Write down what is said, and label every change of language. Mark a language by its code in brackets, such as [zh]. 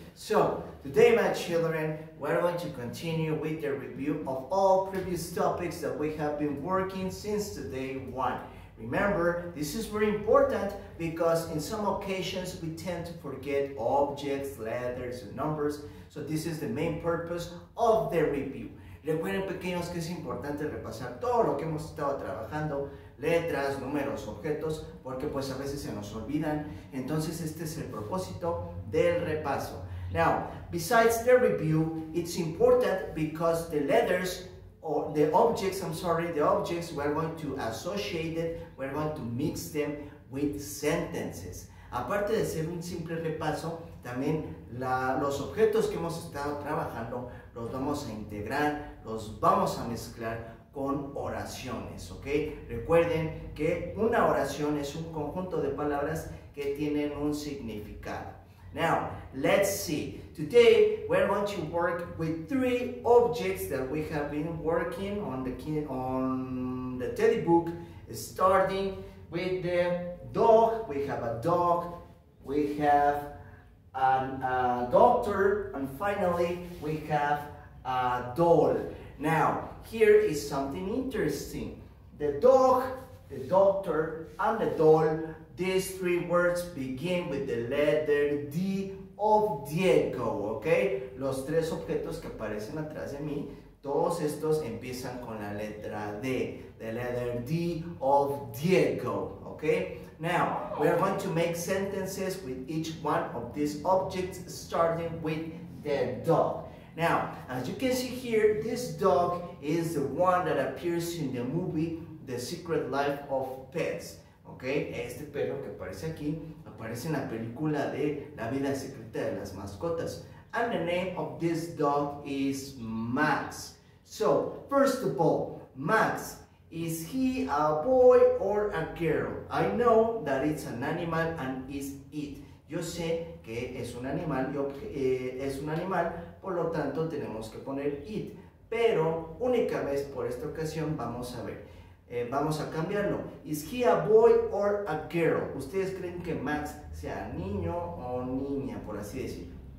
[en] So, today, my children, we're going to continue with the review of all previous topics that we have been working since day one. Remember, this is very important because in some occasions we tend to forget objects, letters, and numbers. So this is the main purpose of the review. [es] Recuerden, pequeños, que es importante repasar todo lo que hemos estado trabajando, letras, números, objetos, porque pues a veces se nos olvidan. Entonces este es el propósito del repaso. [en] Now, besides the review, it's important because the letters or the objects, the objects we're going to associate it, we're going to mix them with sentences. [es] Aparte de ser un simple repaso, también los objetos que hemos estado trabajando los vamos a integrar, los vamos a mezclar con oraciones, ¿ok? Recuerden que una oración es un conjunto de palabras que tienen un significado. [en] Now, let's see. Today, we're going to work with three objects that we have been working on the teddy book, starting with the dog. We have a dog, we have a doctor, and finally, we have a doll. Now, here is something interesting. The dog, the doctor, and the doll, these three words begin with the letter D of Diego, okay? [es] Los tres objetos que aparecen atrás de mí, todos estos empiezan con la letra D, [en] the letter D of Diego, okay? Now, we are going to make sentences with each one of these objects, starting with the dog. Now, as you can see here, this dog is the one that appears in the movie The Secret Life of Pets. [es] Okay, este perro que aparece aquí aparece en la película de La Vida Secreta de las Mascotas. [en] And the name of this dog is Max. So, first of all, Max, is he a boy or a girl? I know that it's an animal and is it. [es] Yo sé que es un animal, por lo tanto tenemos que poner it, pero única vez por esta ocasión vamos a ver, vamos a cambiarlo. [en] Is he a boy or a girl? [es] ¿Ustedes creen que Max sea niño o niña, por así decirlo?